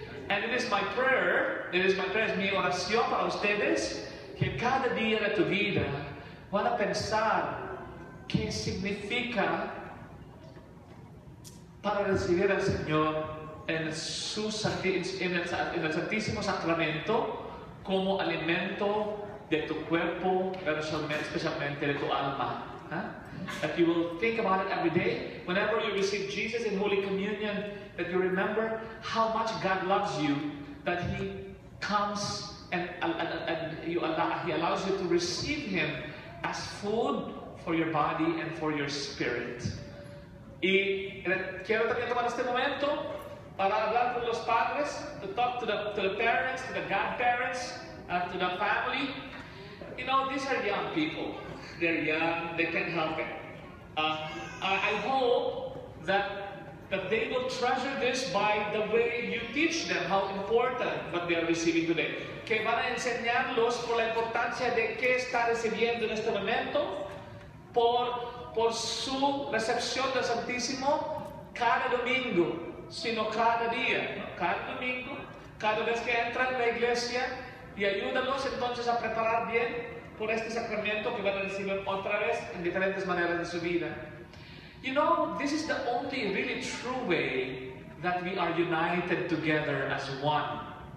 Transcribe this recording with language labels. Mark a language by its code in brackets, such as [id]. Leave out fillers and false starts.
[en] And it is my prayer, [es] es mi oración para ustedes, que cada día de tu vida van a pensar qué significa para recibir al Señor en el Santísimo Sacramento como alimento de tu cuerpo, especialmente de tu alma. Huh? [en] If you will think about it every day, whenever you receive Jesus in Holy Communion, that you remember how much God loves you, that He comes and He allows you to receive Him as food for your body and for your spirit. [es] Y quiero también tomar este momento para hablar con los padres, [en] to talk to the parents, to the godparents, to the family. You know, these are young people. They're young, they can't help it. I hope that they will treasure this by the way you teach them how important what they are receiving today. [es] Que van a enseñarlos por la importancia de qué está recibiendo en este momento, por su recepción del Santísimo cada domingo, sino cada día, ¿no? Cada domingo, cada vez que entran en la iglesia, y ayúdalos entonces a preparar bien por este sacramento que van a recibir otra vez en diferentes maneras de su vida. [en] You know, this is the only really true way that we are united together as one.